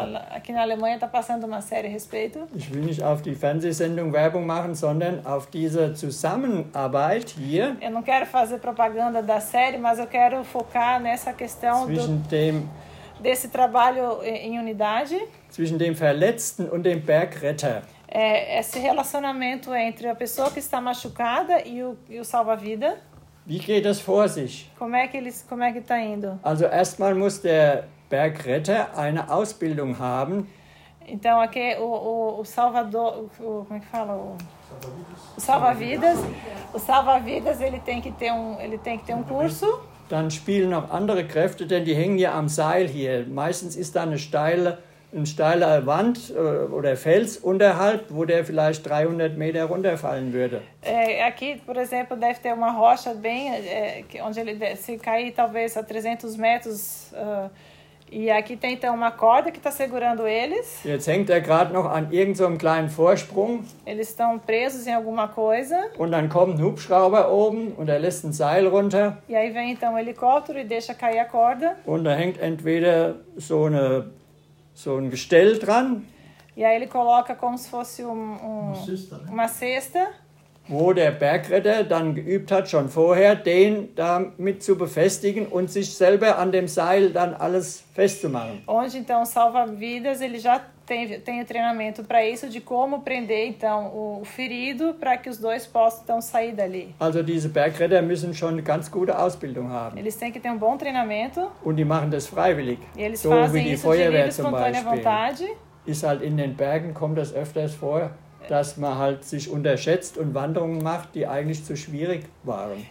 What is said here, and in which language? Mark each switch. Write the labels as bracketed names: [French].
[Portuguese] Aqui na Alemanha está passando uma série a respeito. [German] Ich will nicht auf die Fernsehsendung Werbung machen, sondern auf diese Zusammenarbeit hier. [Portuguese] Eu não quero fazer propaganda da série, mas eu quero focar nessa questão desse trabalho em unidade. [German] Zwischen dem Verletzten und dem Bergretter. [Portuguese] Esse relacionamento entre a pessoa que está machucada e o salva-vida. [German] Wie geht das vor sich? [Portuguese] Como é que está indo? [German] Also erstmal muss der Bergretter eine Ausbildung haben. [Portuguese] Então aqui o salvador, como é que fala? O salva-vidas, ele tem que ter um curso. [German] Dann spielen auch andere Kräfte, denn die hängen ja am Seil hier. Meistens ist da eine steile Wand oder Fels unterhalb, wo der vielleicht 300 Meter runterfallen würde. [Portuguese] Aqui, por exemplo, deve ter uma rocha bem, onde ele se cair talvez a 300 metros. E aqui tem então uma corda que está segurando eles. [German] Jetzt hängt er gerade noch an irgendeinem kleinen Vorsprung. [Portuguese] Eles estão presos em alguma coisa. [German] Und dann kommt ein Hubschrauber oben und er lässt ein Seil runter. [Portuguese] E aí vem então um helicóptero e deixa cair a corda. [German] Und da hängt entweder so ein Gestell dran. [Portuguese] E aí ele coloca como se fosse uma cesta. [German] Wo der Bergretter dann geübt hat, schon vorher, den damit zu befestigen und sich selber an dem Seil dann alles festzumachen. [Portuguese] Onde então salva-vidas, ele já tem o treinamento para isso, de como prender então o ferido, para que os dois possam então sair dali. [German] Also diese Bergretter müssen schon eine ganz gute Ausbildung haben. [Portuguese] Eles têm que ter um bom treinamento. [German] Und die machen das freiwillig. [Portuguese] E eles so fazem isso Feuerwehr, de livre espontânea vontade. [German] Ist halt in den Bergen, kommt das öfters vor. Dass man halt sich unterschätzt und Wanderungen macht, die eigentlich zu schwierig waren.